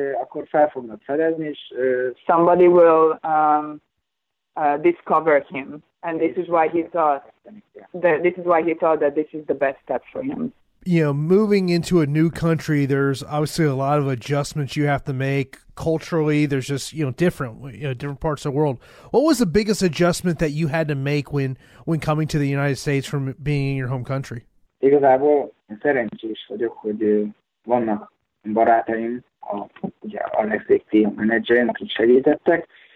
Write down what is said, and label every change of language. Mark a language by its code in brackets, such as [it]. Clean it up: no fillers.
[hu] akkor fel fognak szerezni, és [en] somebody will discover him. And this is why he thought that this is the best step for him. You know, moving into a new country, there's obviously a lot of adjustments you have to make culturally. There's just, you know, different parts of the world. What was the biggest adjustment that you had to make when coming to the United States from being in your home country? [hu] Igazából szerencsés vagyok, hogy vannak barátaim, a legfőbb menedzserem, akik segítettek.